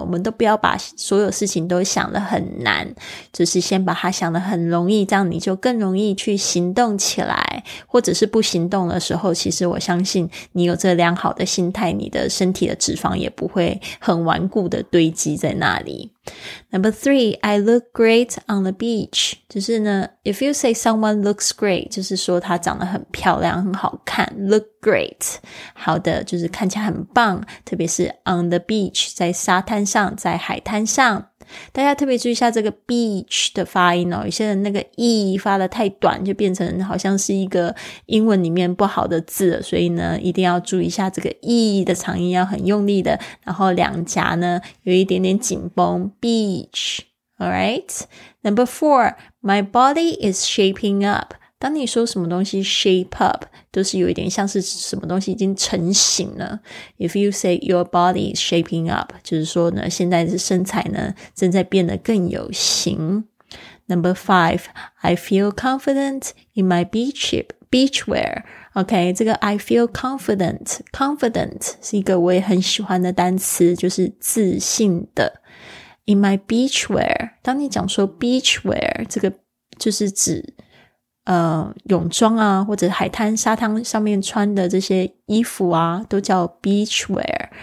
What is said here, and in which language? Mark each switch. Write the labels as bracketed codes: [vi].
[zh] 我们都不要把所有事情都想得很难，就是先把它想得很容易，这样你就更容易去行动起来。或者是不行动的时候，其实我相信你有这良好的心态，你的身体的脂肪也不会很顽固的堆积在那里。 [en] Number three, I look great on the beach. [zh] 就是呢 [en] if you say someone looks great, [zh] 就是说她长得很漂亮很好看 look great, 好的就是看起来很棒，特别是 [en] on the beach, [zh] 在沙滩上在海滩上。大家特别注意一下这个 beach 的发音哦，有些人那个 e 发的太短就变成好像是一个英文里面不好的字了，所以呢一定要注意一下这个 e 的长音，要很用力的，然后两颊呢有一点点紧绷 beach。 [en] Alright, Number four, My body is shaping up。 [zh] 当你说什么东西 shape up 都是有一点像是什么东西已经成型了。 [en] If you say your body is shaping up, [zh] 就是说呢现在的身材呢正在变得更有型。 [en] Number five, I feel confident in my beach wear. [zh] OK, 这个 [en] I feel confident, [zh] confident 是一个我也很喜欢的单词，就是自信的。 [en] In my beach wear, [zh] 当你讲说 beach wear, 这个就是指泳装啊，或者海滩沙滩上面穿的这些衣服啊，都叫 beach wear。